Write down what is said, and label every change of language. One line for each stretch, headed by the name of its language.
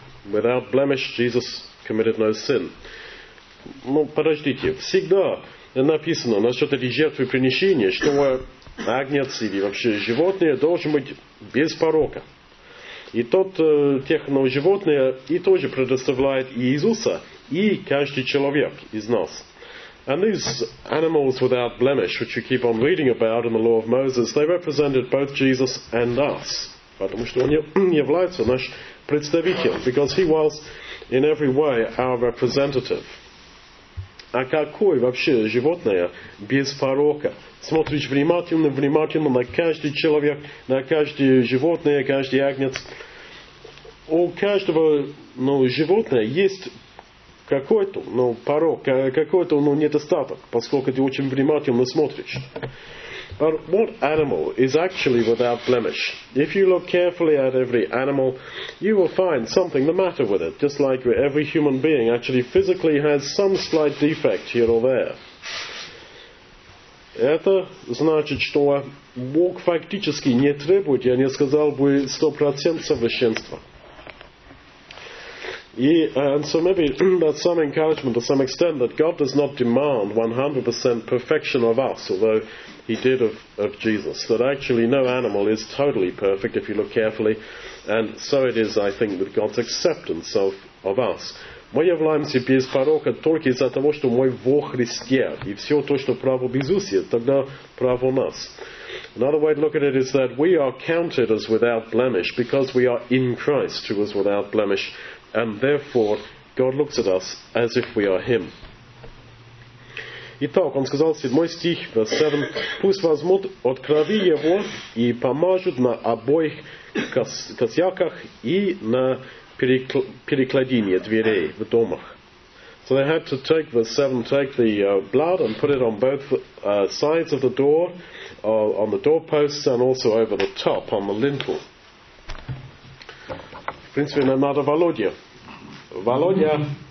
English: Without blemish, Jesus committed no sin.
Russian: Ну, подождите. Всегда написано насчет этой жертвы принесения, что агнец или вообще животное должен быть без порока. И тот техно животное и тоже предоставляет Иисуса, и каждый человек из нас.
English: And these animals without blemish, which you keep on reading about in the law of Moses, they represented both Jesus and us.
Russian: Потому что он является наш представитель,
English: because he was in every way our representative.
Russian: А какое вообще животное без порока? Смотришь внимательно, внимательно на каждый человек, на каждое животное, каждый агнец. У каждого животного есть какой-то порок, какой-то недостаток, поскольку ты очень внимательно смотришь.
English: But what animal is actually without blemish? If you look carefully at every animal, you will find something the matter with it, just like every human being actually physically has some slight defect here or there.
Russian: Это значит, что Бог фактически не требует, я не сказал бы, 100% совершенства.
English: And so maybe that's some encouragement to some extent that God does not demand 100% perfection of us, although he did of Jesus, that actually no animal is totally perfect if you look carefully, and so it is, I think, with God's acceptance of us.
Russian: Мы являемся без порока только из-за того, что мы во Христе, и все то, что право в Иисусе, тогда право у нас.
English: Another way to look at it is that we are counted as without blemish because we are in Christ who is without blemish, and therefore God looks at us as if we are Him.
Russian: Итак, он сказал, 7 стих,
English: verse 7,
Russian: «Пусть возьмут от крови его и помажут на обоих косяках и на перекладине дверей в домах».
English: So they had to take, verse 7, take the blood and put it on both sides of the door, on the doorposts and also over the top, on the lintel.
Russian: В принципе, нам надо Володя. Володя!